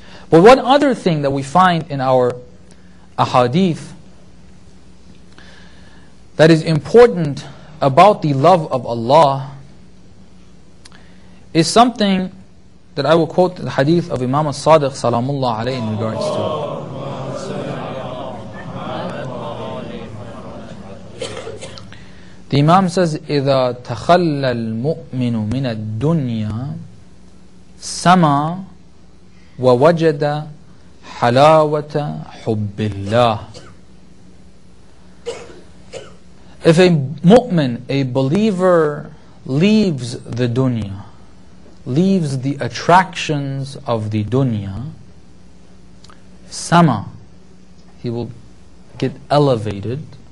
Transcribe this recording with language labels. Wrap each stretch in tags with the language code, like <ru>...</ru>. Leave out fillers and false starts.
<en>But one other thing that we find in our ahadith that is important about the love of Allah is something that I will quote the hadith of Imam al-Sadiq salamullah alayhi in regards to. The Imam says,</en> <ar>إِذَا تَخَلَّ الْمُؤْمِنُ مِنَ الدُّنْيَا سَمَى وَوَجَدَ حَلَاوَةَ حُبِّ اللَّهِ.</ar> <en>If a mu'min, a believer, leaves the dunya, leaves the attractions of the dunya, sama, he will get elevated.</en>